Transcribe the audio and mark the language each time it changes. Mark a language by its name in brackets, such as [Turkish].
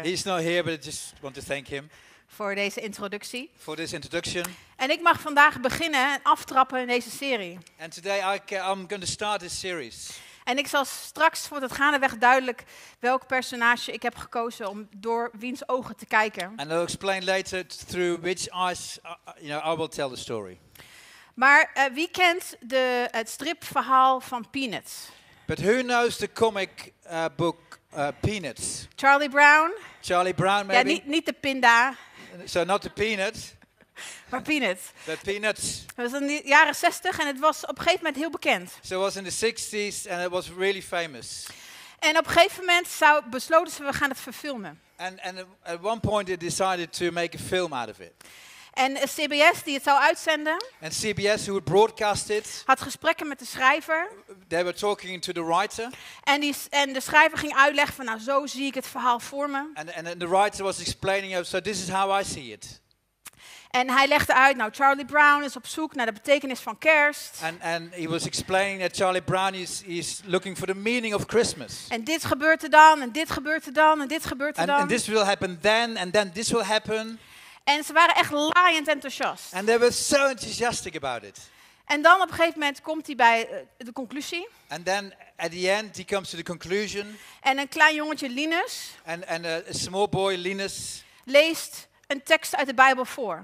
[English] He's not here, but I just want to thank him. [Dutch] Voor deze introductie. [English] For this introduction. [Dutch] En ik mag vandaag beginnen en aftrappen in deze serie. [English] And today I'm going to start this series. [Dutch] En ik zal straks, want het gaandeweg duidelijk welk personage ik heb gekozen om door wiens ogen te kijken. [English] And I'll explain later through which eyes, I will tell the story. [Dutch] Maar wie kent het stripverhaal van Peanuts? [English] But who knows the comic book? Peanuts. Charlie Brown. Charlie Brown, maybe. [Dutch] Ja, niet de pinda. [English] So not the peanut. [Dutch] Maar Peanuts. [English] The Peanuts. [Dutch] Het was in de jaren 60 en het was op een gegeven moment heel bekend. [English] So it was in the 60s and it was really famous. [Dutch] En op een gegeven moment besloten ze, we gaan het verfilmen. [English] And at one point they decided to make a film out of it. [Dutch] En CBS die het zou uitzenden. [English] And CBS who would broadcast it. [Dutch] Had gesprekken met de schrijver. [English] They were talking to the writer. [Dutch] En de schrijver ging uitleggen van, nou, zo zie ik het verhaal voor me. [English] And the writer was explaining, so this is how I see it. [Dutch] En hij legde uit, nou, Charlie Brown is op zoek naar de betekenis van Kerst. [English] And he was explaining that Charlie Brown is looking for the meaning of Christmas. [Dutch] En dit gebeurt er dan, en dit gebeurt er dan, en dit gebeurt er dan. [English] And this will happen then, and then this will happen. [Dutch] En ze waren echt laaiend enthousiast. [English] And they were so enthusiastic about it. [Dutch] En dan op een gegeven moment komt hij bij de conclusie. [English] And then at the end he comes to the conclusion. [Dutch] En een klein jongetje Linus. [English] And a small boy Linus. [Dutch] Leest een tekst uit de Bijbel voor.